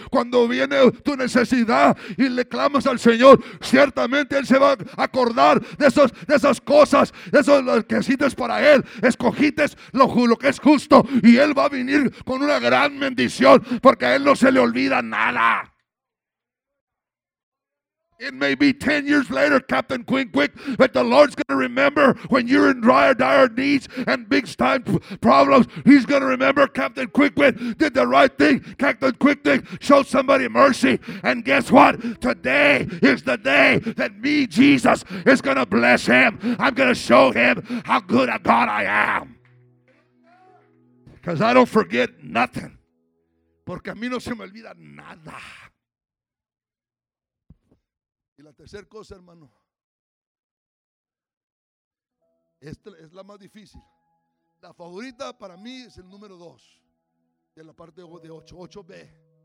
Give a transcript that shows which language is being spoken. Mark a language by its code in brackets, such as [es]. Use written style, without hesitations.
[es] Cuando viene tu necesidad y le clamas al Señor, ciertamente Él se va a acordar de esos, de esas cosas, eso es lo que hiciste para Él. Escogiste lo que es justo y Él va a venir con una gran bendición, porque a Él no se le olvida nada. [en] It may be 10 years later, Captain Quick, but the Lord's going to remember when you're in dire needs and big time problems. He's going to remember Captain Quick did the right thing. Captain Quick showed somebody mercy. And guess what? Today is the day that me, Jesus, is going to bless him. I'm going to show him how good a God I am. Because I don't forget nothing. [es] Porque a mí no se me olvida nada. Y la tercera cosa, hermano, esta es la más difícil. La favorita para mí es el número 2 de la parte de 8B.